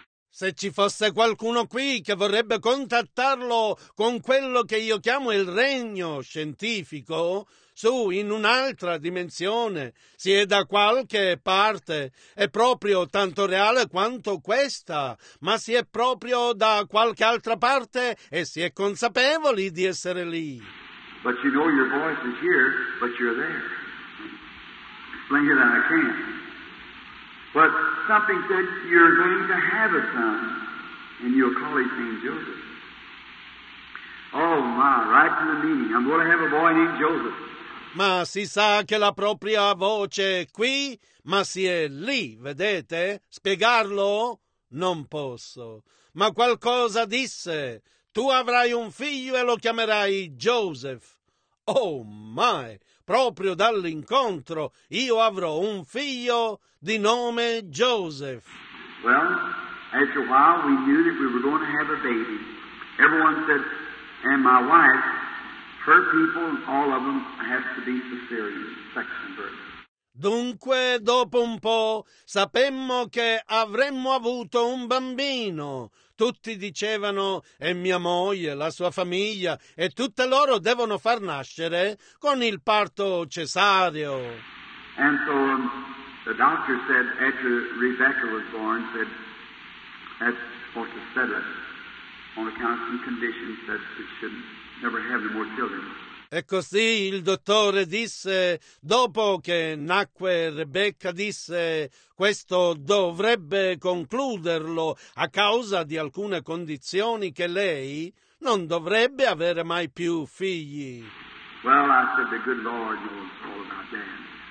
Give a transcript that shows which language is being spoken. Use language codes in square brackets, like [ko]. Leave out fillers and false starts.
[it] Se ci fosse qualcuno qui che vorrebbe contattarlo con quello che io chiamo il regno scientifico, su, in un'altra dimensione, si è da qualche parte, è proprio tanto reale quanto questa, ma si è proprio da qualche altra parte e si è consapevoli di essere lì. [en] But you know your voice is here, but you're there. Explain it and I can't. But something said you're going to have a son, and you'll call his name Joseph. Oh my, right to the meaning, I'm going to have a boy named Joseph. [it] Ma si sa che la propria voce è qui, ma si è lì, vedete? Spiegarlo? Non posso. Ma qualcosa disse, tu avrai un figlio e lo chiamerai Joseph. [en] Oh my, [it] proprio dall'incontro, io avrò un figlio di nome Joseph. [en] Well, after a while we knew that we were going to have a baby. Everyone said, and my wife... Her people, all of them, have to be cesarean, section birth. [it] Dunque, dopo un po', sapemmo che avremmo avuto un bambino. Tutti dicevano, e mia moglie, la sua famiglia, e tutte loro devono far nascere con il parto cesareo. [en] And so the doctor said, after Rebecca was born, said, that's for to settle on account of some conditions that it shouldn't. Never have any more children. [it] E così il dottore disse, dopo che nacque Rebecca, disse, questo dovrebbe concluderlo a causa di alcune condizioni che lei non dovrebbe avere mai più figli. [en] Well, I said, the good Lord knows all about that.